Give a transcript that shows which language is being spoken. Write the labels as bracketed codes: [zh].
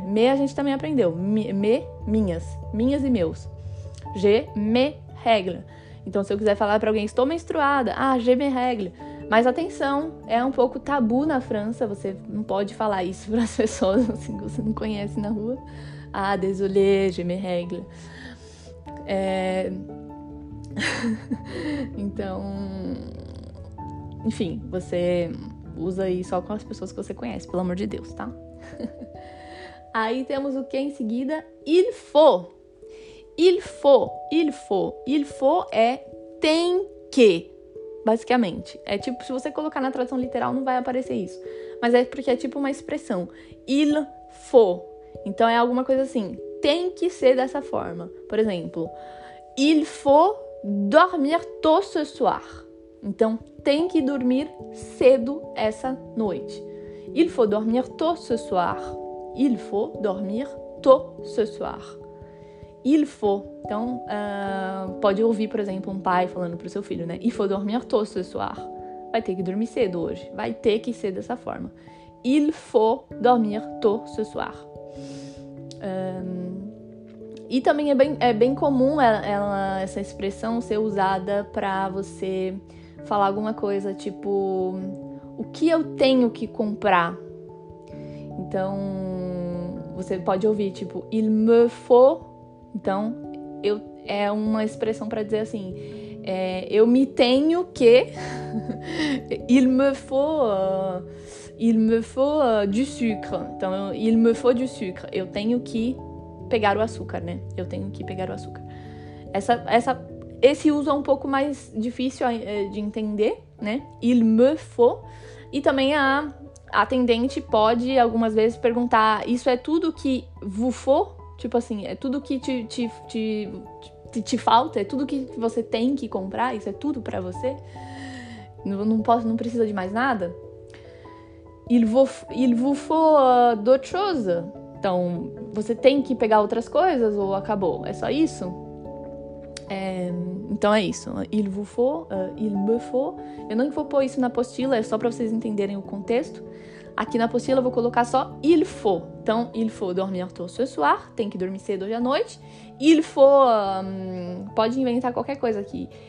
[pt] Mes a gente também aprendeu. Minhas. Minhas e meus. [fr] J'ai mes règles. [pt] Então, se eu quiser falar para alguém, estou menstruada. [fr] Ah, j'ai mes règles. [pt] Mas atenção, é um pouco tabu na França. Você não pode falar isso para as pessoas assim que você não conhece na rua. [fr] Ah, désolé, j'ai mes règles. [pt] Então. Enfim, você usa aí só com as pessoas que você conhece, pelo amor de Deus, tá? Aí temos o que em seguida? [fr] Il faut. Il faut. Il faut. [pt] Il faut é tem que, basicamente. É tipo, se você colocar na tradução literal, não vai aparecer isso. Mas é porque é tipo uma expressão. Il faut. Então é alguma coisa assim. Tem que ser dessa forma. Por exemplo, [fr] il faut dormir tôt ce soir. [pt] Então, tem que dormir cedo essa noite. [fr] Il faut dormir tôt ce soir. Il faut dormir tôt ce soir. Il faut. [pt] Então, pode ouvir, por exemplo, um pai falando pro seu filho, né? [fr] Il faut dormir tôt ce soir. [pt] Vai ter que dormir cedo hoje. Vai ter que ser dessa forma. [fr] Il faut dormir tôt ce soir. [pt] E também é bem comum essa expressão ser usada pra você falar alguma coisa, tipo, o que eu tenho que comprar? Então, você pode ouvir, tipo, il me faut. Então, é uma expressão para dizer assim, eu me tenho que, [fr] il me faut du sucre. [pt] Então, [fr] il me faut du sucre. [pt] Eu tenho que pegar o açúcar, né? Eu tenho que pegar o açúcar. Esse uso é um pouco mais difícil de entender, né? Il me faut. E também a atendente pode, algumas vezes, perguntar, isso é tudo que vous faut? Tipo assim, é tudo que te te falta, é tudo que você tem que comprar, isso é tudo pra você. Não posso, não precisa de mais nada. [fr] Il vous faut d'autres choses. [pt] Então, você tem que pegar outras coisas ou acabou? É só isso? Então é isso. [fr] Il vous faut, il me faut. [pt] Eu não vou pôr isso na apostila, é só pra vocês entenderem o contexto. Aqui na apostila eu vou colocar só il faut. [fr] Então, il faut dormir tôt ce soir. [pt] Tem que dormir cedo hoje à noite. [fr] Il faut... [pt] pode inventar qualquer coisa aqui.